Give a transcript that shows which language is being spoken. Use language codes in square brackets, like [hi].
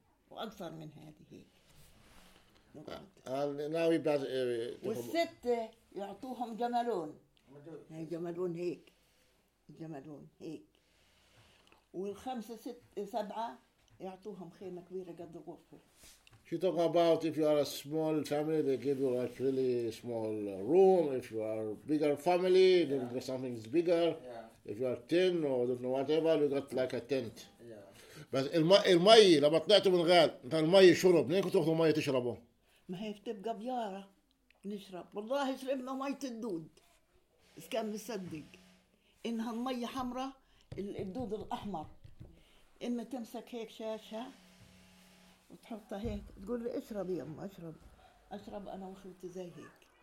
[ar] وأكثر من هذه. [en] And now we pass. [ar] والستة يعطوهم جملون. جملون هيك. جمالون هيك والخمسة ست سبعة يعطوهم خيمة كبيرة قد الغرفة. [en] She talk about if you are a small family they give you like really small room if you are bigger family then you get something is bigger if you are ten or don't know whatever you got like a tent. [ar] بس المي لما طلعتوا من غال المي شرب منين كنتوا تاخذوا مي تشربوا؟ ما هي بتبقى بيارة نشرب والله شربنا مية الدود. إذا كان مصدق إنها المية حمراء الدود الأحمر، إما تمسك هيك شاشة وتحطها هيك تقول لي اشرب يا أم اشرب اشرب أنا وخلتي زي هيك.